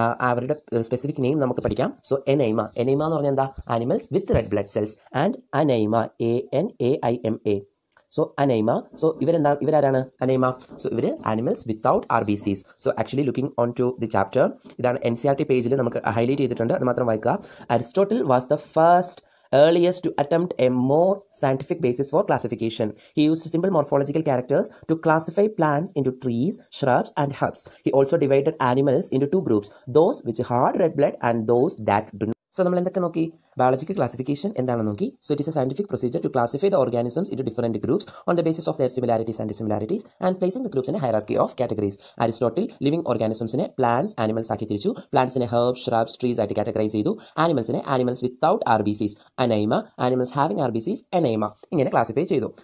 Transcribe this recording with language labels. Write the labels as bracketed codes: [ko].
[ml] അവരുടെ specific name നമുക്ക് പഠിക്കാം. സോ എനൈമ, എനൈമ എന്ന് പറഞ്ഞാൽ എന്താ? [en] Animals with red blood cells. And anaima, ANAIMA. [ml] So അനൈമ, so ഇവരെന്താ, ഇവരാരാണ് അനൈമ? സോ ഇവർ [en] Animals without RBCs. So actually looking on to the chapter, [ml] ഇതാണ് NCERT പേജിൽ നമുക്ക് ഹൈലൈറ്റ് ചെയ്തിട്ടുണ്ട്. അത് മാത്രം വായിക്കുക. [en] Aristotle was the first earliest to attempt a more scientific basis for classification. He used simple morphological characters to classify plants into trees, shrubs and herbs. He also divided animals into two groups, those which had red blood and those that do not. [ml] So നമ്മൾ എന്തൊക്കെ നോക്കി? [en] biological classification [ml] എന്താണ് നോക്കി. [en] So it is a scientific procedure to classify the organisms in different groups on the basis of their similarities and dissimilarities and placing the groups in a hierarchy of categories. [ml] Aristotle living ഓർഗാനിസംസിനെ plants animals ആക്കി തിരിച്ചു. പ്ലാന്റ്സിനെ herbs, shrubs, trees ആയിട്ട് categorise ചെയ്തു. ആനിമൽസിനെ [en] animals without RBCs [ml] അനൈമ, [en] animals having RBCs [ml] എനൈമ, ഇങ്ങനെ classify ചെയ്തു.